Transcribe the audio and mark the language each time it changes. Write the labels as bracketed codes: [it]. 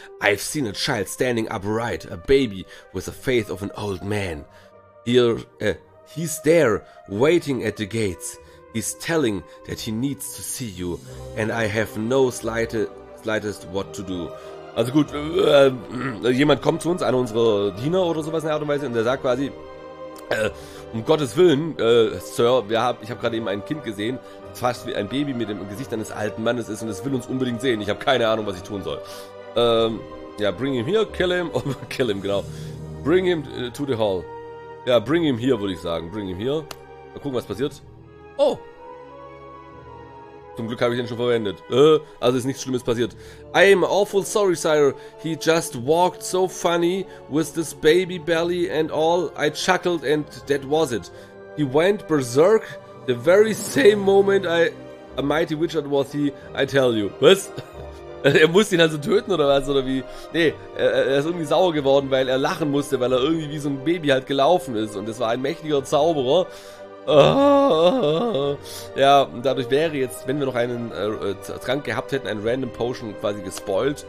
[en] I've seen a child standing upright, a baby with the faith of an old man. He's there, waiting at the gates. He's telling that he needs to see you. And I have no slightest what to do. [de] Also gut, jemand kommt zu uns, einer unserer Diener oder sowas in der Art und Weise, und der sagt quasi, um Gottes Willen, Sir, ich habe gerade eben ein Kind gesehen, fast wie ein Baby mit dem Gesicht eines alten Mannes ist, und es will uns unbedingt sehen. Ich habe keine Ahnung, was ich tun soll. [en] Bring him here, kill him, genau. Bring him to the hall. [de] Ja, [en] bring him here, [de] würde ich sagen. [en] Bring him here. [de] Mal gucken, was passiert. Oh! Zum Glück habe ich den schon verwendet. Also ist nichts Schlimmes passiert. [en] I am awful sorry, Sire. He just walked so funny with this baby belly and all. I chuckled and that was it. He went berserk the very same moment a mighty wizard was he, I tell you. [de] Was? Er musste ihn also töten oder was? Oder wie? Nee, er ist irgendwie sauer geworden, weil er lachen musste, weil er irgendwie wie so ein Baby halt gelaufen ist. Und es war ein mächtiger Zauberer. Ja, dadurch wäre jetzt, wenn wir noch einen Trank gehabt hätten, ein Random Potion quasi gespoilt.